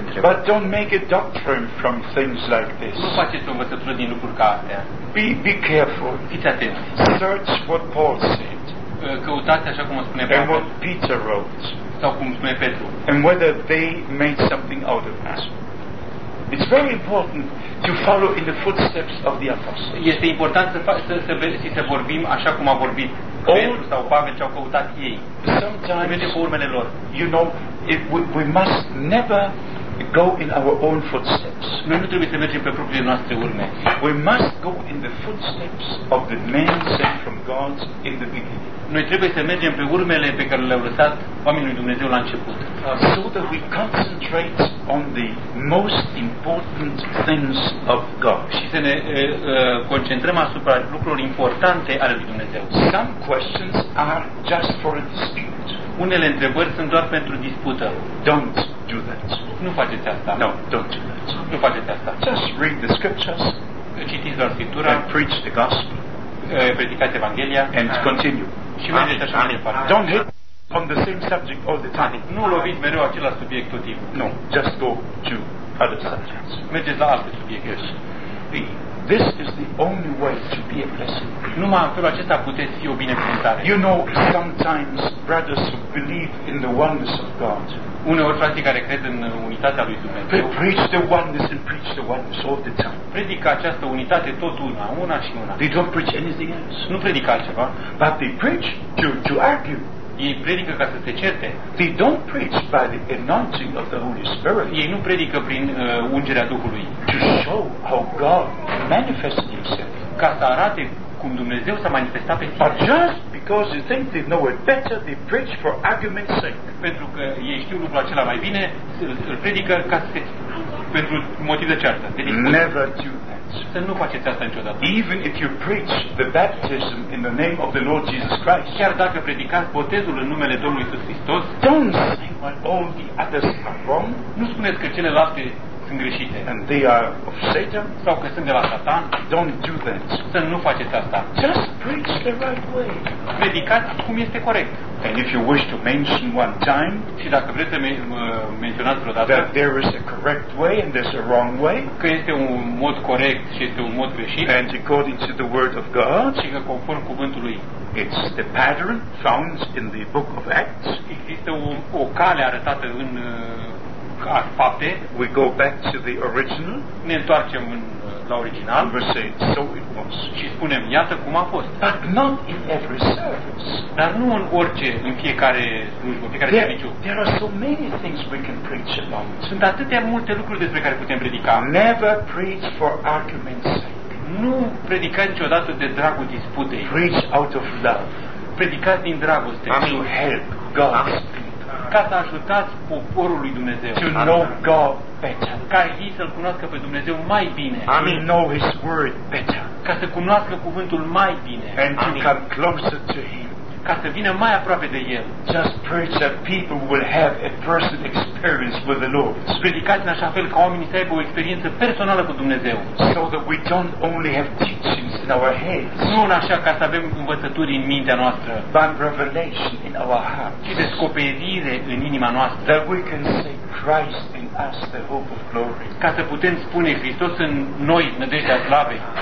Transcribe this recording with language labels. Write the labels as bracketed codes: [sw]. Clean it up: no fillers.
[en] But don't make a doctrine from things like this. [ro] Nu faceți o învățătură din lucruri ca astea. [en] Be careful. [ro] Fiți atenți. [en] Search what Paul said. [ro] Căutați așa cum o spune [en] Petru. And what Peter wrote. [ro] Sau cum spune Petru. [en] And whether they made something out of it. It's very important to follow in the footsteps of the apostles. [ro] Este important să vorbim așa cum a vorbit Petru sau Pavel, ce au căutat ei. [en] Sometimes, [ro] pe urmele lor. [en] You know, we must never go in our own footsteps. [ro] Noi nu trebuie să mergem pe propriile noastre urme. [en] We must go in the footsteps of the men sent from God in the beginning. [ro] Noi trebuie să mergem pe urmele pe care le-au lăsat oamenii lui Dumnezeu la început. [en] So that we concentrate on the most important things of God. [ro] Și să ne concentrăm asupra lucrurilor importante ale lui Dumnezeu. [en] Some questions are just for a dispute. [ro] Unele întrebări sunt doar pentru dispută. [en] Don't do that. [ro] Nu faceți asta. [en] No, don't do that. [ro] Nu faceți asta. [en] Just read the scriptures. [ro] Citiți doar Scriptura. [en] And preach the gospel. [ro] Predicați Evanghelia. [en] And continue. [ro] Și mergeți așa mai departe. [en] Don't hit on the same subject all the time. [ro] Nu loviți mereu același subiect tot timpul. [en] No, just go to other subjects. [ro] Mergeți la alte subiecte. [en] Yes. This is the only way to be a blessing. [ro] Numai în felul acesta puteți fi o binecuvântare. [en] You know, sometimes brothers who believe in the oneness of God. [ro] Uneori frații care cred în unitatea lui Dumnezeu. [en] Preach the oneness and preach the oneness all the time. [ro] Predică această unitate tot una, una și una. [en] They don't preach anything else. [ro] Nu predică altceva. [en] But they preach to argue. [ro] Ei predică ca să se certe. [en] They don't preach by the anointing of the Holy Spirit. [ro] Ei nu predică prin ungerea Duhului. [en] To show how God manifests Himself. [ro] Ca să arate cum Dumnezeu s-a manifestat pe sine. [en] But just because they think they know it better, they preach for argument's sake. [ro] Pentru că ei știu lucrul acela mai bine, îl predică ca să se pentru motiv de ceartă. [en] Never do that. [ro] Să nu faceți asta niciodată. [en] Even if you preach the baptism in the name of the Lord Jesus Christ, [ro] chiar dacă predicați botezul în numele Domnului Iisus Hristos, [en] don't say what all the others are wrong. [ro] Nu spuneți că celelalte sunt greșite. [en] And they are of Satan. [ro] Sau că sunt de la Satan. [en] Don't do that. [ro] Să nu faceți asta. [en] Just preach the right way. [ro] Predicați cum este corect. [en] And if you wish to mention one time, [ro] și dacă vreți să menționați vreodată, [en] that there is a correct way and there's a wrong way, [ro] că este un mod corect și este un mod greșit, [en] and according to the word of God, [ro] și că conform cuvântului, [en] it's the pattern found in the book of Acts. [ro] Există o cale arătată în fapte. [en] We go back to the original. [ro] Ne întoarcem la original. [en] We say so it was. [ro] Și spunem, iată cum a fost. [en] But not in every service. [ro] Dar nu în orice, în fiecare slujbă, fiecare serviciu. [en] There are so many things we can preach about. [ro] Sunt atâtea multe lucruri despre care putem predica. [en] Never preach for argument's sake. [ro] Nu predica niciodată de dragul disputei. [en] Preach out of love. [ro] Predicați din dragoste. [en] I'm to help God. [ro] Ca să ajutați poporul lui Dumnezeu. [en] To know God better. [ro] Ca ei să-L cunoască pe Dumnezeu mai bine. [en] I mean, know His word better. [ro] Ca să cunoască cuvântul mai bine. [en] And to come closer to Him. [ro] Ca să vină mai aproape de El. [en] Just preach that people will have a personal experience with the Lord. [ro] Predicați în așa fel ca oamenii să aibă o experiență personală cu Dumnezeu. [en] So that we don't only have teachings in our heads. [ro] Nu în așa ca să avem învățături în mintea noastră. [en] But revelation in our hearts. [ro] Ci descoperire în inima noastră. [en] That we can say Christ in us, the hope of glory. [ro] Ca să putem spune Hristos în noi, nădejdea slavei.